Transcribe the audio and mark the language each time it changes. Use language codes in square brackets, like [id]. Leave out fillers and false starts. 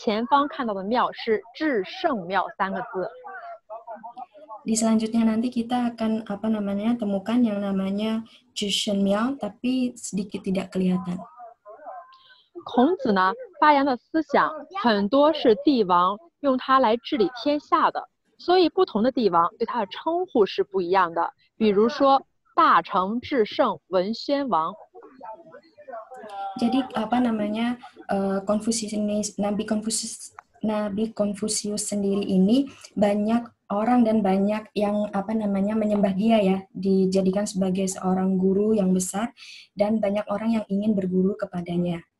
[zh] 您在三孔景区是一个孔字都看不到的。我们前方看到的庙是至圣庙三个字。 [id] Di selanjutnya nanti kita akan apa namanya temukan yang namanya Zhisheng庙, tapi sedikit tidak kelihatan. [zh] 孔子呢发扬的思想很多是帝王用他来治理天下的，所以不同的帝王对他的称呼是不一样的。比如说大成至圣文宣王。 [id] Jadi apa namanya Konfusius ini, Nabi Konfusius sendiri ini banyak orang dan banyak yang apa namanya menyembah dia ya, dijadikan sebagai seorang guru yang besar dan banyak orang yang ingin berguru kepadanya.